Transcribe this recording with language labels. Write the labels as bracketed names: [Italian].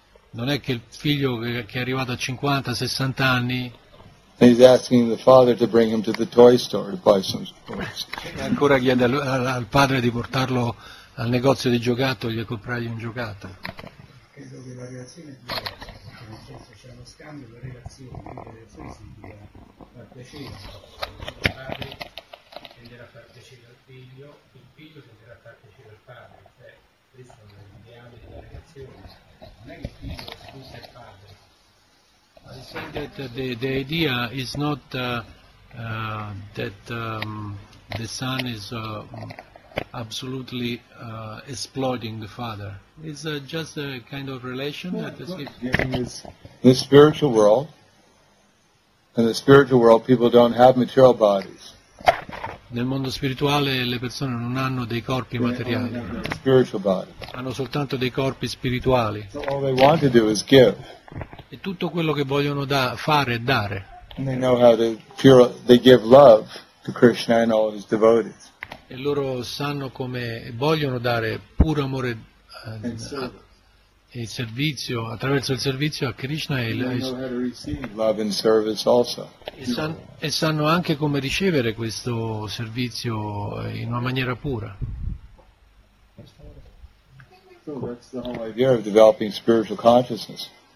[Italian] Non è che il figlio che è arrivato a 50-60 anni. [English] He's asking the father to bring him to the toy store to buy some toys. [Italian] Ancora chiede al padre di portarlo al negozio di giocattoli e comprargli un giocattolo. Credo che la relazione è diversa, nel senso c'è uno scambio, la relazione, quindi la relazione significa far piacere al padre, tenderà a far piacere al figlio, il figlio tenderà a far piacere al padre, cioè questo è l'ideale della relazione, non è che il figlio sfrutta il padre. [English] I think that the idea is not that the son is absolutely exploiting the father. It's just a kind of relation. Yeah, that is giving his, the spiritual world. In the spiritual world, people don't have material bodies. [Italian] Nel mondo spirituale le persone non hanno dei corpi materiali. Hanno soltanto dei corpi spirituali. [English] So all they want to do is give. [Italian] E tutto quello che vogliono fare è dare. E loro sanno come vogliono dare puro amore e servizio attraverso il servizio a Krishna e sanno anche come ricevere questo servizio in una maniera pura. [English] So that's the whole idea of developing spiritual consciousness.